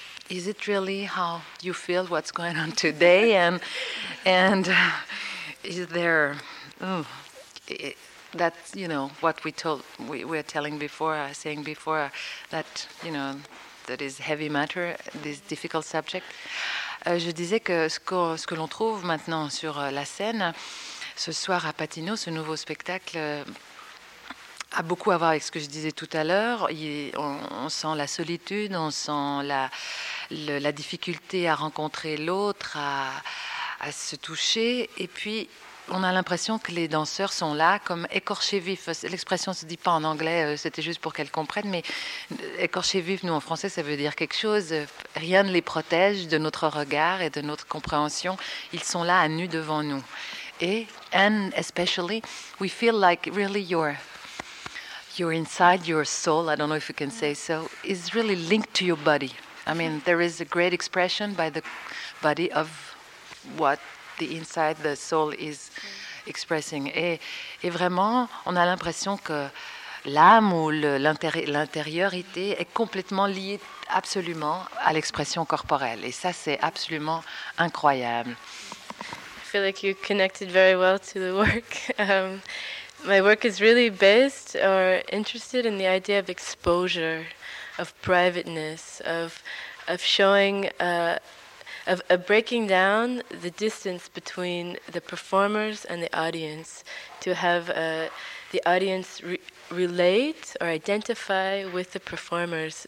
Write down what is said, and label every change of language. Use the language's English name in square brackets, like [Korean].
[English] Is it really how you feel what's going on today? And is there that, you know, what we are telling before, saying before, that, you know, that is heavy matter, this difficult subject. [French] Je disais que ce que l'on trouve maintenant sur la scène, ce soir à Patino, ce nouveau spectacle, a beaucoup à voir avec ce que je disais tout à l'heure. On sent la solitude, on sent la difficulté à rencontrer l'autre, à se toucher. Et puis, on a l'impression que les danseurs sont là comme écorchés vifs. L'expression ne se dit pas en anglais, c'était juste pour qu'elles comprennent, mais écorchés vifs, nous, en français, ça veut dire quelque chose. Rien ne les protège de notre regard et de notre compréhension. Ils sont là à nu devant nous. [English] Et, and especially, we feel like really your inside, your soul, I don't know if you can say so, is really linked to your body. I mean, there is a great expression by the body of what the inside, the soul is expressing. [French] Et vraiment, on a l'impression que l'âme ou l'intériorité est complètement liée absolument à l'expression corporelle. Et ça, c'est absolument incroyable. [English] I feel like you connected very well to the work. My work is really based or interested in the idea of exposure, of privateness, of showing, of breaking down the distance between the performers and the audience, to have the audience relate or identify with the performers.